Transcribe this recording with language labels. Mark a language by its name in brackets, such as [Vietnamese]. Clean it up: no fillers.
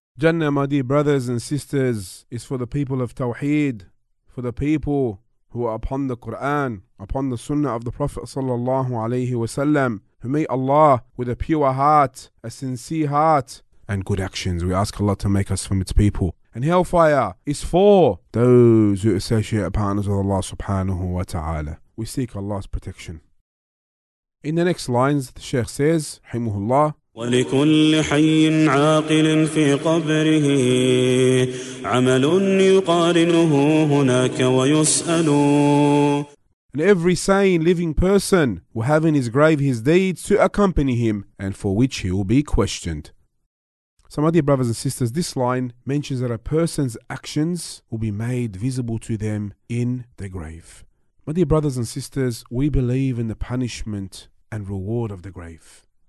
[English] Jannah, my dear brothers and sisters, is for the people of Tawheed, for the people who are upon the Quran, upon the Sunnah of the Prophet sallallahu alaihi wasallam, who meet Allah with a pure heart, a sincere heart, and good actions. We ask Allah to make us from its people. And hellfire is for those who associate partners with Allah subhanahu wa ta'ala. We seek Allah's protection. In the next lines, the Shaykh says, Himuhullah. [Arabic] ولكل حي عاقل في قبره عمل يقارنه هناك ويسأل. [English] And every sane living person will have in his grave his deeds to accompany him, and for which he will be questioned. So, my dear brothers and sisters, this line mentions that a person's actions will be made visible to them in the grave. My dear brothers and sisters, we believe in the punishment and reward of the grave.